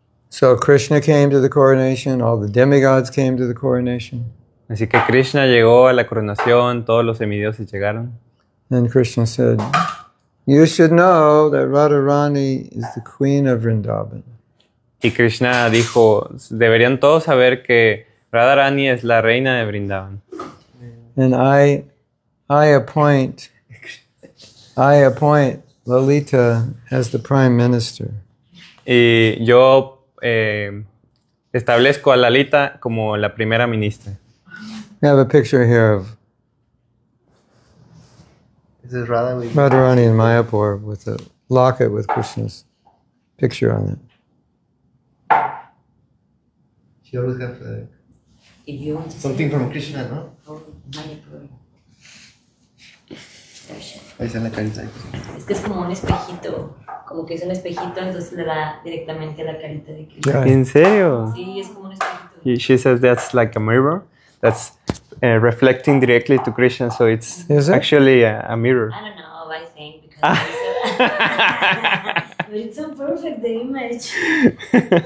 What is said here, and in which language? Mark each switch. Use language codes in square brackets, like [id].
[en] So Krishna came to the coronation, all the demigods came to the coronation. [es] Así que Krishna llegó a la coronación, todos los semidioses llegaron. [en] And Krishna said, you should know that Radharani is the queen of Vrindavan. [es] Y Krishna dijo, deberían todos saber que Radharani es la reina de Vrindavan. [en] And I appoint Lalita as the prime minister. [es] Y yo establezco a Lalita como la primera ministra. [en] I have a picture here of this is Radha with Radharani and Mayapur with a locket with Krishna's picture on it. She always has something from Krishna, no? [es] Ahí está la carita. Es que es como un espejito, como que es un espejito, entonces le da directamente a la carita de Krishna. ¿En serio? Sí, es como un espejito. [en] She says that's like a mirror. That's reflecting directly to Krishna, so it's actually a mirror. I don't know what I think because but it's a perfect image.